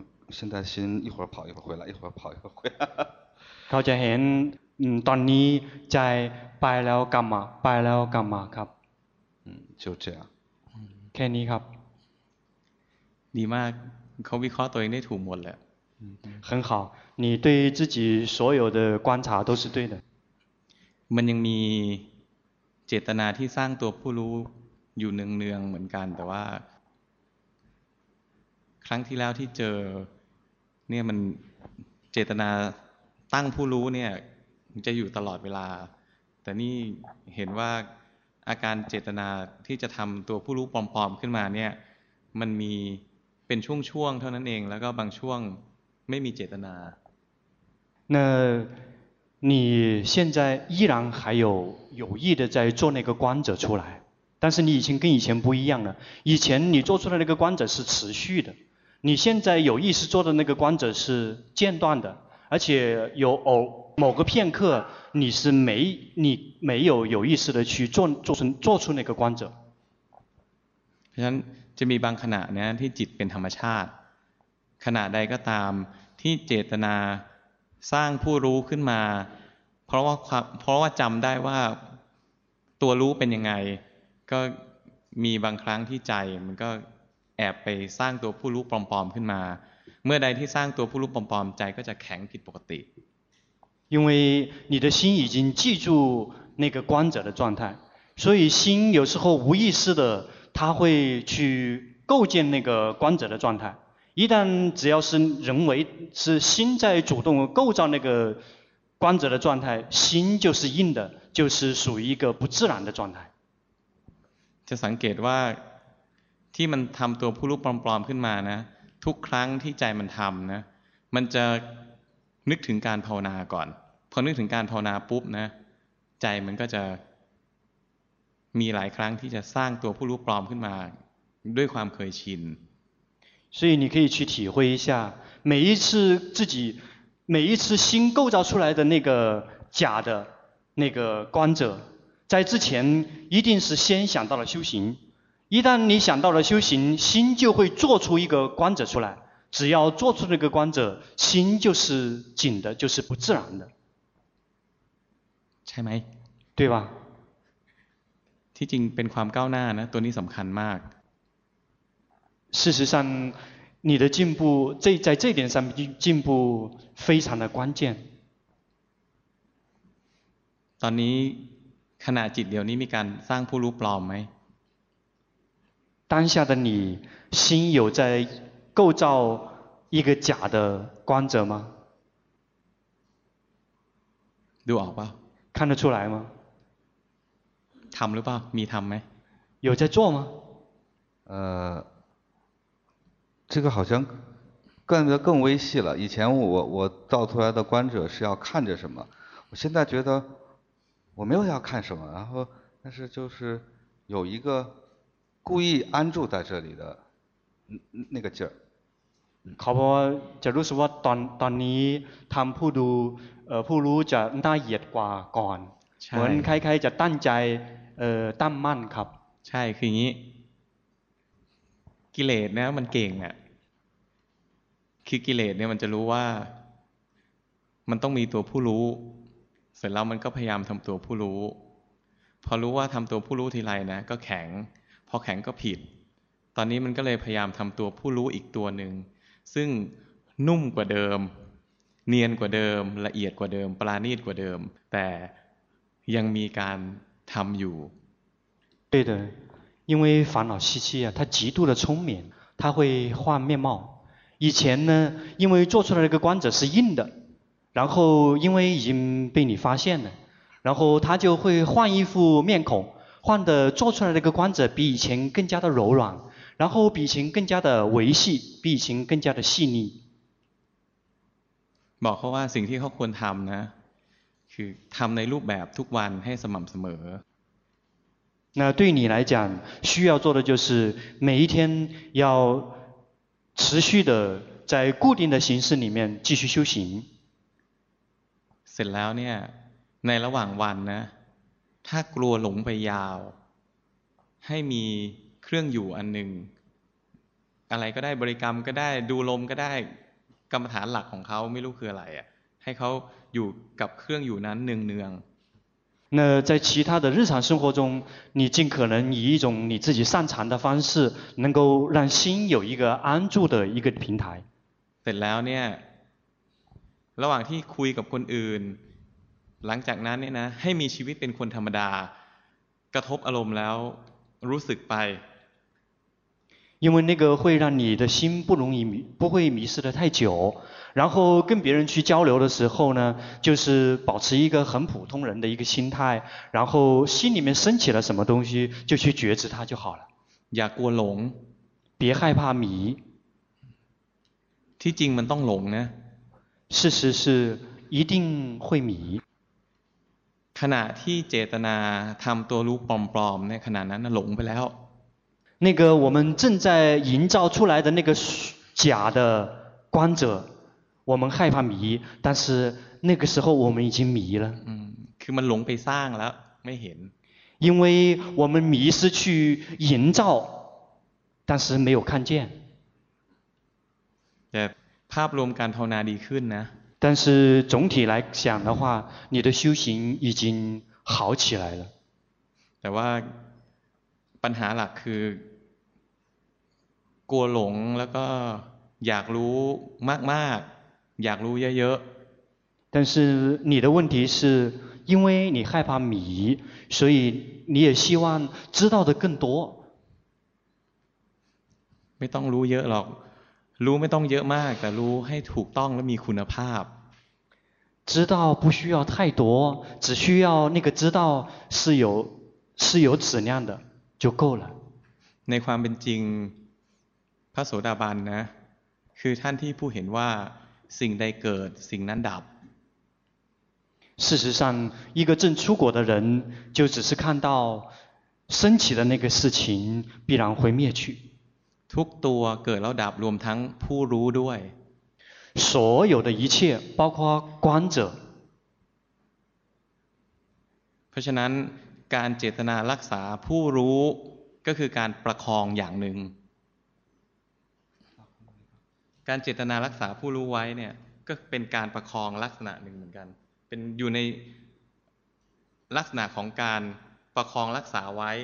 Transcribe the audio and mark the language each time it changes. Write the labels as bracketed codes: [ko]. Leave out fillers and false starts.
[zh] 现在心一会儿跑一会儿回来一会儿跑一会儿回来 [th] เขาจะเห็นตอนนี้ใจไปแล้วกลับมาไปแล้วกลับมาครับ [zh] 就这样 [th] แค่นี้ครับ ดีมากเขาวิเคราะห์ตัวเองได้ถูกหมดแล้ว [zh] 很好你对自己所有的观察都是对的 [th] มันยังมีเจตนาที่สร้างตัวผู้รู้อยู่เนืองๆเหมือนกันแต่ว่าครั้งที่แล้วที่เจอเนี่ยมันเจตนาตั้งผู้รู้เนี่ยจะอยู่ตลอดเวลาแต่นี่เห็นว่าอาการเจตนาที่จะทำตัวผู้รู้ปลอมๆขึ้นมาเนี่ยมันมีเป็นช่วงๆเท่านั้นเองแล้วก็บางช่วงไม่มีเจตนา [zh] 那你现在依然还有有意的在做那个观者出来但是你以前跟以前不一样了以前你做出来的那个观者是持续的你现在有意识做的那个观者是间断的而且有某个片刻你没有有意识的去 做出那个观者 [th] เพราะฉะนั้นจะมีบางขณะนะที่จิตเป็นธรรมชาติขณะใดก็ตามที่เจตนาสร้างผู้รู้ขึ้นมาเพราะว่าจำได้ว่าตัวรู้เป็นยังไงก็มีบางครั้งที่ใจมันก็แอบไปสร้างตัวผู้รู้ปลอมๆขึ้นมาเมื่อใดที่สร้างตัวผู้รู้ปลอมๆใจก็จะแข็งผิดปกติ [zh] 因为你的心已经记住那个观者的状态所以心有时候无意识的它会去构建那个观者的状态一旦只要是人为是心在主动构造那个观者的状态心就是硬的就是属于一个不自然的状态 [th] จะสังเกตว่าที่มันทำตัวผู้รู้ปลอมๆขึ้นมานะทุกครั้งที่ใจมันทำนะมันจะนึกถึงการภาวนาก่อนพอนึกถึงการภาวนาปุ๊บนะใจมันก็จะมีหลายครั้งที่จะสร้างตัวผู้รู้ปลอมขึ้นมาด้วยความเคยชิน [zh] 所以你可以去体会一下每一次自己每一次心构造出来的那个假的那个观者在之前一定是先想到了修行一旦你想到了修行心就会做出一个观者出来只要做出那个观者心就是紧的就是不自然的 [th] ใช่ไหม [zh] 对吧 [th] ที่จริงเป็นความก้าวหน้านะตัวนี้สำคัญมาก [zh] 事实上你的进步在这点上进步非常的关键 [th] ตอนนี้ขณะจิตเดียวนี้มีการสร้างผู้รู้ปลอมไหม [zh] 当下的你心有在构造一个假的观者吗 [th] ดูออกป่ะ [zh] 看得出来吗 [th] ทำหรือเปล่ามีทำไหม [zh] 有在做吗这个好像变得更微细了以前我造出来的观者是要看着什么我现在觉得我没有要看什么然后但是就是有一个故意安住在这里的那个劲儿 [th] ครับจะรู้สึกว่าตอนนี้ทำผู้ดูผู้รู้จะน่าเหยียดกว่าก่อนเหมือนใครๆจะตั้งใจตั้งมั่นครับ ใช่คืออย่างนี้กิเลสเนี่ยมันเก่งอ่ะคือกิเลสเนี่ยมันจะรู้ว่าันต้องมีตัวผู้รู้เสร็จแล้วมันก็พยายามทำตัวผู้รู้พอรู้ว่าทำตัวผู้รู้ทีไรนะก็แข็งพอแข็งก็ผิดตอนนี้มันก็เลยพยายามทำตัวผู้รู้อีกตัวหนึ่งซึ่งนุ่มกว่าเดิมเนียนกว่าเดิมละเอียดกว่าเดิมปราณีตกว่าเดิมแต่ยังมีการทำอยู่ [zh] 对的因为烦恼习气啊它极度的聪明它会换面貌以前呢因为做出来的那个观者是硬的然后因为已经被你发现了然后他就会换一副面孔换的做出来的那个观者比以前更加的柔软然后比以前更加的维系比以前更加的细腻 [th] บอกเขาว่าสิ่งที่เขาควรทำนะคือทำในรูปแบบทุกวันให้สม่ำเสมอ [zh] 那对你来讲需要做的就是每一天要持续的在固定的形式里面继续修行 [th] เสร็จแล้วเนี่ยในระหว่างวันนะถ้ากลัวหลงไปยาวให้มีเครื่องอยู่อันหนึ่งอะไรก็ได้บริกรรมก็ได้ดูลมก็ได้กรรมฐานหลักของเขาไม่รู้คืออะไรอ่ะให้เขาอยู่กับเครื่องอยู่นั้นเนือง [zh] ๆ那在其他的日常生活中你尽可能以一种你自己擅长的方式能够让心有一个安住的一个平台 [th] เสร็จแล้วเนี่ยระหว่างที่คุยกับคนอื่นหลังจากนั้นเนี่ยนะให้มีชีวิตเป็นคนธรรมดากระทบอารมณ์แล้วรู้สึกไป [zh] 因为那个会让你的心不容易不会迷失的太久然后跟别人去交流的时候呢就是保持一个很普通人的一个心态然后心里面升起了什么东西就去觉知它就好了 [th] อย่ากลัวหลง [zh] 别害怕迷 [th] ที่จริงมันต้องหลงนะ [zh] 事实是一定会迷 [th] ขณะที่เจตนาทำตัวรู้ปลอมๆในขณะนั้นหลงไปแล้ว [zh] 那个我们正在营造出来的那个假的观者我们害怕迷但是那个时候我们已经迷了 [th] คือมันหลงไปสร้างแล้วไม่เห็น [zh] 因为我们迷失去营造但是没有看见 [th] แต่ภาพรวมการภาวนาดีขึ้นนะ [zh] 但是总体来讲的话你的修行已经好起来了 [th] แต่ว่าปัญหาหลักคือกลัวหลงแล้วก็อยากรู้มากๆอยากรู้เยอะ [zh] ๆ但是你的问题是因为你害怕迷所以你也希望知道的更多 [th] ไม่ต้องรู้เยอะหรอกรู้ไม่ต้องเยอะมากแต่รู้ให้ถูกต้องและมีคุณภาพ [zh] 知道不需要太多只需要那个知道是有质量的就够了 [th] ในความเป็นจริงพระโสดาบันนะคือท่านที่ผู้เห็นว่าสิ่งใดเกิดสิ่งนั้นดับ [zh] 事实上一个正出果的人就只是看到升起的那个事情必然会灭去 [th] ทุกตัวเกิดแล้วดับรวมทั้งผู้รู้ด้วย [zh] 所有的一切包括观者 [th] เพราะฉะนั้นการเจตนารักษาผู้รู้ก็คือการประคองอย่างหนึ่งการเจตนารักษาผู้รู้ไว้เนี่ยก็เป็นการประคองลักษณะหนึ่งเหมือนกันเป็นอยู่ในลักษณะของการประคองรักษาไว